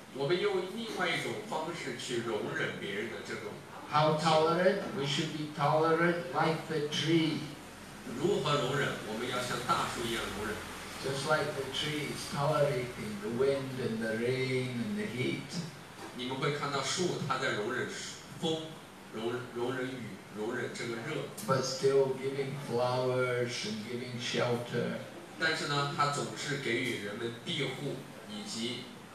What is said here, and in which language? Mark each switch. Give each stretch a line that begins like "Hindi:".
Chinese: 我们用另外一种方式去容忍别人的这种。
English: How tolerant? We should be tolerant like the tree.
Chinese: 如何容忍? 我们要像大树一样容忍。
English: Just like the tree is tolerating the wind and the rain and the heat.
Chinese: 你们会看到树它在容忍风、容忍雨、容忍这个热。
English: But still giving flowers and giving shelter.
Chinese: 但是呢，它总是给予人们庇护以及。